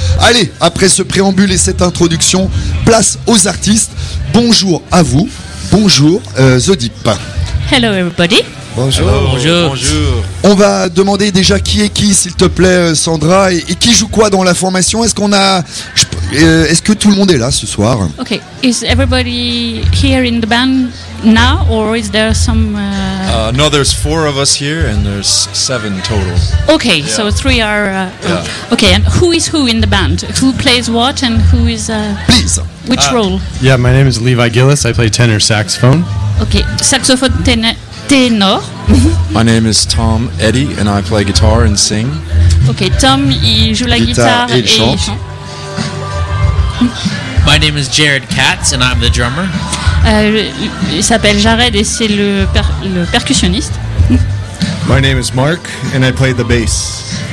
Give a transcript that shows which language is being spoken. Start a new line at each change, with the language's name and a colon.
French: Allez, après ce préambule et cette introduction, place aux artistes. Bonjour à vous. Bonjour The Deep.
English: Hello everybody.
French: Bonjour.
English: Hello,
French: bonjour. Bonjour. On va demander déjà qui est qui, s'il te plaît, Sandra, et qui joue quoi dans la formation. Est-ce qu'on a... est-ce que tout le monde est là ce soir?
English: Ok. Is everybody here in the band now, or is there some? No, there's 4 of us here, and there's 7 total. Ok, yeah. So 3 are. Ok, and who is who in the band? Who plays what, and who is? Please. Which role? Yeah, my name is Levi Gillis. I play tenor saxophone. Ok, saxophone tenor. My name is Tom Eddy, and I play guitar and sing.
French: Ok, Tom, il joue la guitare et chante.
English: My name is Jared Katz and I'm the drummer.
French: Il s'appelle Jared et c'est le percussionniste.
English: My name is Mark and I play the bass.